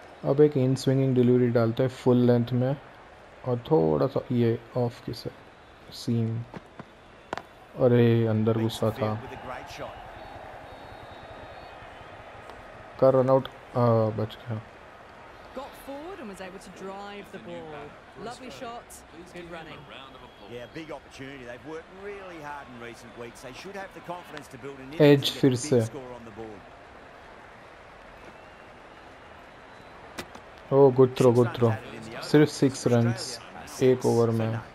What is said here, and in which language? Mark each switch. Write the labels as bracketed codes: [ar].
[hi] अब एक इन swinging delivery डालते हैं फुल लेंथ में, और थोड़ा सा ये ऑफ की से सीम, अरे अंदर गुस्सा था, कर रन आउट, बच गया। [en] Got forward and was able to drive the ball. Lovely shot, good running. Yeah, big opportunity. They've worked really hard in recent weeks. They should have the confidence to build an edge [hi] फिर से। [en] oh good throw, [hi] सिर्फ 6 runs एक over में।